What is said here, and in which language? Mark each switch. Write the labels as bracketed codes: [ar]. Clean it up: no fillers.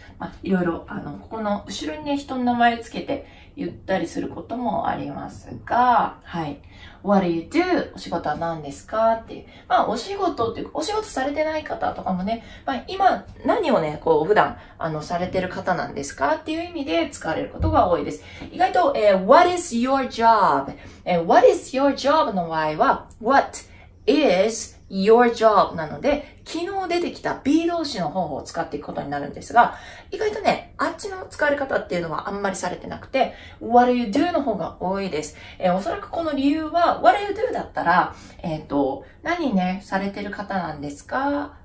[ja] まあ、いろいろ、ここの後ろにね、人の名前をつけて言ったりすることもありますが、はい。 [en] What are you doing? [ja] お仕事は何ですかっていう。まあ、お仕事っていうか、お仕事されてない方とかもね、まあ、今、何をね、こう、普段、されてる方なんですかっていう意味で使われることが多いです。 [en] 意外と、What is your job? What is your job? [ja] の場合は、 [en] What is your job? [ja] なので、昨日出てきた B 動詞の方法を使っていくことになるんですが、意外とね、あっちの使われ方っていうのはあんまりされてなくて、 [en] What are you doing [ja] の方が多いです。おそらくこの理由は、 [en] What are you doing [ja] だったら、何ね、されてる方なんですか?